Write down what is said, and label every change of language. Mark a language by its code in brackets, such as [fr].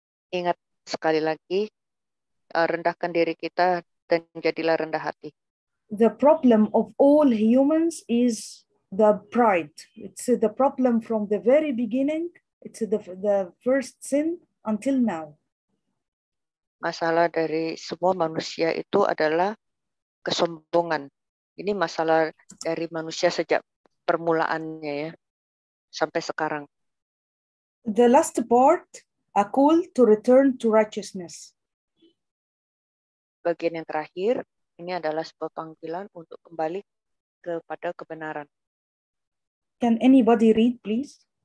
[id] Ingat sekali lagi, rendahkan diri kita dan jadilah rendah hati. [en] The problem of all humans is the pride. It's the problem from the very beginning. It's the first sin until now. [id] Masalah dari semua manusia itu adalah kesombongan. Ini masalah dari manusia sejak permulaannya ya. sampai sekarang. [en] The last part, a call to return to righteousness. [id] Bagian yang terakhir, ini adalah sebuah panggilan untuk kembali kepada kebenaran. [en] Can anybody read, please?